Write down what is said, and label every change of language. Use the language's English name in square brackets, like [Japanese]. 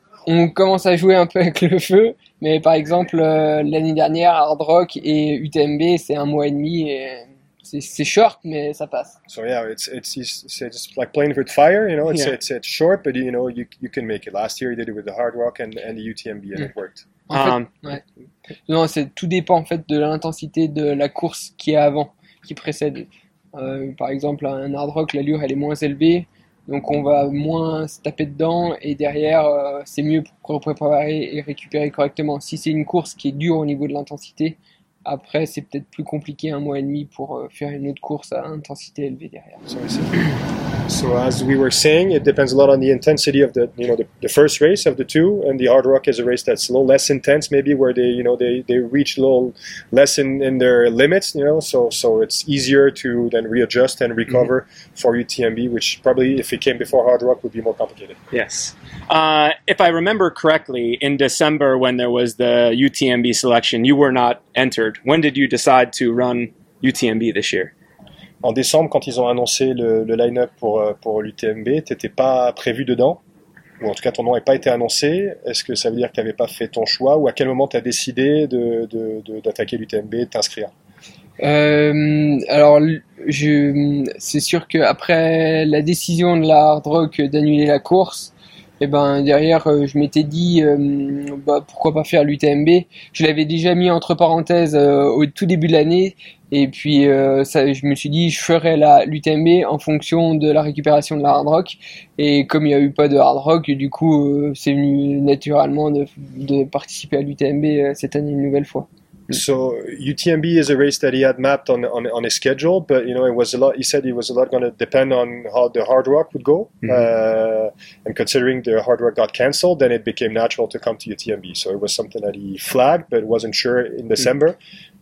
[French] On commence à jouer un peu avec le feu, mais par exemple l'année dernière, Hard Rock et UTMB, c'est un mois et demi et c'est short, mais ça passe. [English] So yeah, it's like playing with fire, It's short, but you can make it. Last year, you did it with the Hard Rock and the UTMB, and it worked. [French] Non, c'est tout dépend en fait de l'intensité de la course qui est avant, qui précède. Par exemple, un Hard Rock, l'allure elle est moins élevée, donc on va moins se taper dedans et derrière c'est mieux pour préparer et récupérer correctement. Si c'est une course qui est dure au niveau de l'intensité, après c'est peut-être plus compliqué un mois et demi pour faire une autre course à intensité élevée derrière. [English] So as we were saying, it depends a lot on the intensity of the first race of the two, and the Hard Rock is a race that's a little less intense, maybe where they reach a little less in their limits, so it's easier to then readjust and recover for UTMB, which probably if it came before Hard Rock would be more complicated. Yes. If I remember correctly, in December when there was the UTMB selection, you were not entered. When did you decide to run UTMB this year? [French] En décembre, quand ils ont annoncé le line-up pour l'UTMB, t'étais pas prévu dedans, ou en tout cas ton nom n'avait pas été annoncé. Est-ce que ça veut dire que t'avais pas fait ton choix, ou à quel moment t'as décidé d'attaquer l'UTMB et de t'inscrire? C'est sûr que après la décision de la Hard Rock d'annuler la course, et ben derrière je m'étais dit pourquoi pas faire l'UTMB. Je l'avais déjà mis entre parenthèses au tout début de l'année. Et puis ça, je me suis dit je ferai l'UTMB en fonction de la récupération de la Hard Rock, et comme il n'y a eu pas de Hard Rock, du coup c'est venu naturellement de participer à l'UTMB cette année une nouvelle fois. [English] So UTMB is a race that he had mapped on his schedule, but it was a lot. He said it was a lot going to depend on how the Hard Rock would go. Mm-hmm. And considering the Hard Rock got canceled, then it became natural to come to UTMB. So it was something that he flagged, but wasn't sure in December. Mm-hmm.